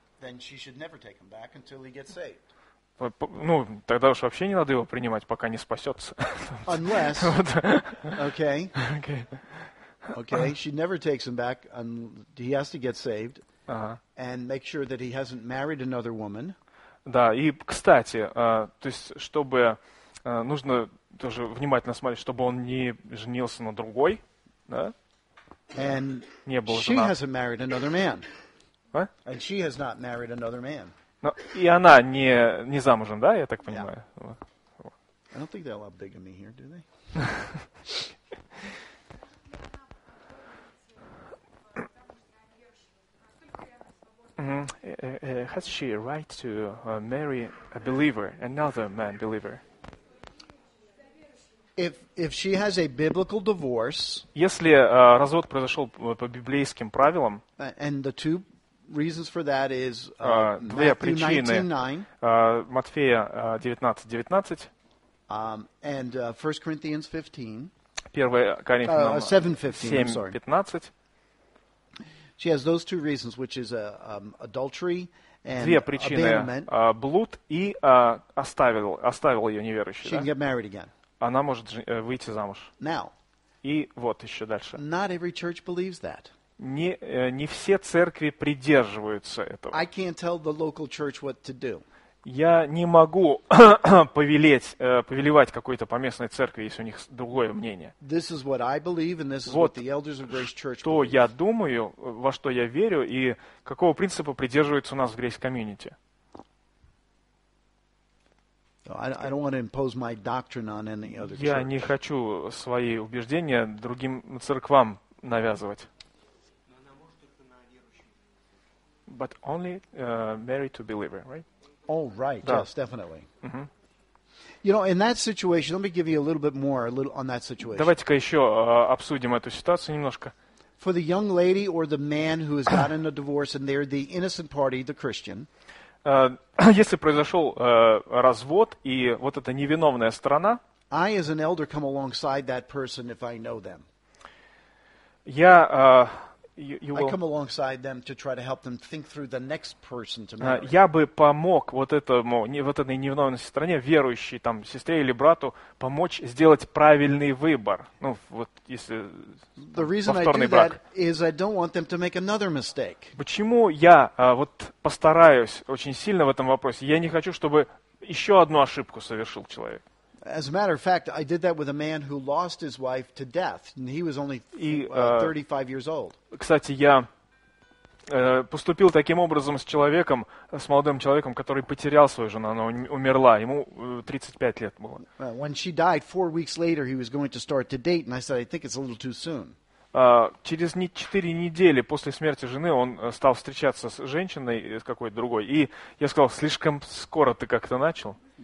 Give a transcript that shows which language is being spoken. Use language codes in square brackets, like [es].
[en] Then she should never take him back until he gets saved. [ru] Ну, тогда уж вообще не надо его принимать, пока не спасется. [en] Unless, okay. Okay. Okay, she never takes him back, and he has to get saved, and make sure that he hasn't married another woman. [ru] Да, и, кстати, то есть, чтобы, нужно тоже внимательно смотреть, чтобы он не женился на другой, да? [en] And [ru] не был [en] she [ru] женат. [en] Hasn't married another man. What? And she has not married another man. [ru] Но и она не замужем, да, я так понимаю? [en] Yeah. I don't think they allow bigamy here, do they? Mm-hmm. Has she a right to marry a believer, another man believer? If she has a biblical divorce, [ru] если развод произошел по библейским правилам, [en] and the two reasons for that is Matthew 19:9, [ru] Матфея 19:19, [en] and 1 Corinthians 15. [ru] 1 Коринфянам 7:15. [en] She has those two reasons, which is adultery and abandonment. [ru] Блуд и оставил ее неверующий. [en] She can get married again. [ru] Она может выйти замуж. [en] Now. [ru] И вот еще дальше. [en] Not every church believes that. [ru] Не все церкви придерживаются этого. [en] I can't tell the local church what to do. [ru] Я не могу повелевать какой-то поместной церкви, если у них другое мнение. [en] This is what I believe, and this is what the elders of Grace Church believe. [ru] Что я думаю, во что я верю, и какого принципа придерживаются у нас в Grace Community. [en] I don't want to impose my doctrine on any other church. [ru] Я не хочу свои убеждения другим церквам навязывать. [en] But only married to believer, right? Oh, right. Да. Yes, definitely. Mm-hmm. You know, in that situation, let me give you a little bit more, a little on that situation. [ru] Давайте-ка еще обсудим эту ситуацию немножко. [en] For the young lady or the man who has gotten a divorce and they're the innocent party, the Christian. [ru] Если произошел развод и вот эта невиновная сторона. [en] I, as an elder, come alongside that person if I know them. [ru] Я [en] I come alongside them to try to help them think through the next person to marry. [ru] Я бы помог вот этой невиновной стране, верующей там сестре или брату, помочь сделать правильный выбор. Ну, вот если повторный брак. [en] The reason I do that is I don't want them to make another mistake. [ru] Почему я вот постараюсь очень сильно в этом вопросе? Я не хочу, чтобы еще одну ошибку совершил человек. [en] As a matter of fact, I did that with a man who lost his wife to death, and he was only 35 years old. [ru] Кстати, я поступил таким образом с человеком, с молодым человеком, который потерял свою жену, она умерла, ему 35 лет было. [en] When she died, 4 weeks later, he was going to start to date, and I said, I think it's a little too soon. [ru] Через 4 недели после смерти жены он стал встречаться с женщиной с какой-то другой, и я сказал, слишком скоро ты как-то начал.